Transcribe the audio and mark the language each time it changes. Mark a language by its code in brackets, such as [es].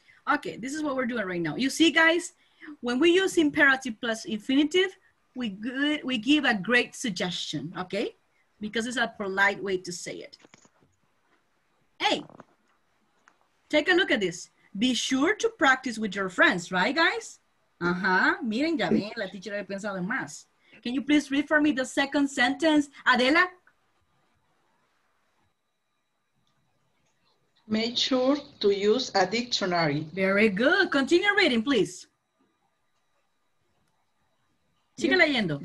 [en] Okay, this is what we're doing right now. You see, guys, when we use imperative plus infinitive, we give a great suggestion, okay? Because it's a polite way to say it. Hey. Take a look at this. Be sure to practice with your friends, right, guys? Uh-huh. [es] Miren, ya ven, la teacher había pensado en más. [en] Can you please read for me the second sentence, Adela? Make sure to use a dictionary. Very good. Continue reading, please. [es] Sigue leyendo.